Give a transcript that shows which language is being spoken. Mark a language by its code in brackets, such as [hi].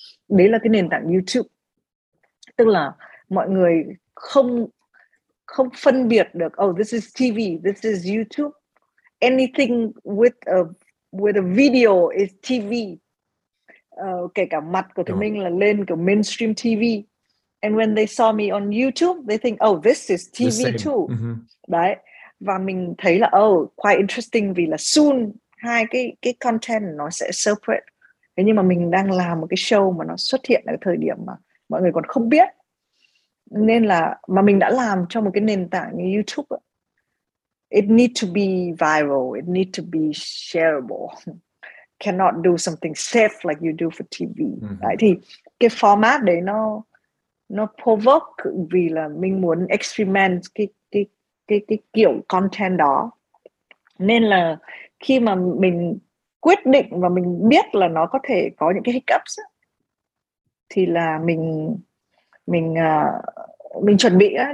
[vi] Đấy là cái nền tảng YouTube. Tức là mọi người không phân biệt được [en] oh this is TV, this is YouTube. Anything with a video is TV. [vi] Kể cả mặt của Thùy Minh là lên kiểu mainstream TV. [en] And when they saw me on YouTube, they think oh this is TV too. Mm-hmm. Đấy. [vi] Và mình thấy là [en] oh quite interesting [vi] vì là soon hai cái content nó sẽ separate. Thế nhưng mà mình đang làm một cái show mà nó xuất hiện ở thời điểm mà mọi người còn không biết. Nên là mà mình đã làm cho một cái nền tảng như YouTube. [en] It need to be viral, it need to be shareable. Cannot do something safe like you do for TV. [vi] Đấy, thì cái format đấy nó provoke vì là mình muốn experiment cái kiểu content đó. Nên là khi mà mình quyết định và mình biết là nó có thể có những cái hiccups á, thì là mình chuẩn bị á.